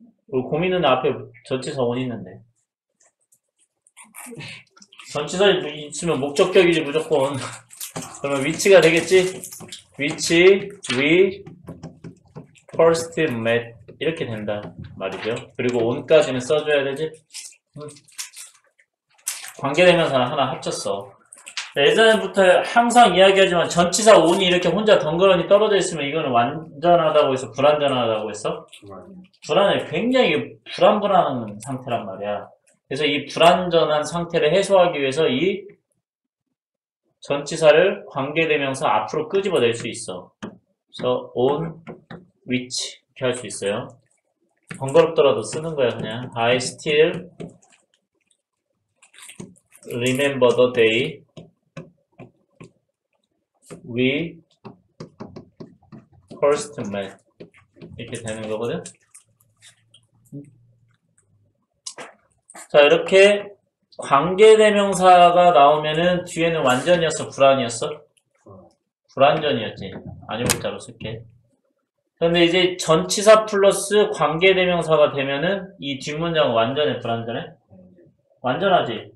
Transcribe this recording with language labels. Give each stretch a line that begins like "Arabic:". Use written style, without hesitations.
Korean: 고민은 앞에 전치사 원 있는데. 전치사 있으면 목적격이지, 무조건. 그러면 위치가 되겠지?
English: Which we first met.
Korean: 이렇게 된다 말이죠. 그리고 온까지는 써줘야 되지. 관계대명사는 하나 합쳤어. 예전부터 항상 이야기하지만 전치사 온이 이렇게 혼자 덩그러니 떨어져 있으면 이거는 완전하다고 해서 불완전하다고 했어? 불안해. 굉장히 불안불안한 상태란 말이야. 그래서 이 불완전한 상태를 해소하기 위해서 이 전치사를 관계대명사 앞으로 끄집어낼 수 있어. 그래서 온, 위치 이렇게 할수 있어요. 번거롭더라도 쓰는 거야 그냥.
English: I still remember the day we first met.
Korean: 이렇게 되는 거거든. 자, 이렇게 관계대명사가 나오면은 뒤에는 완전이었어, 불완이었어? 불완전이었지. 아니, 문자로 쓸게. 그런데 이제 전치사 플러스 관계대명사가 되면은 이 뒷문장은 완전해, 불완전해? 완전하지.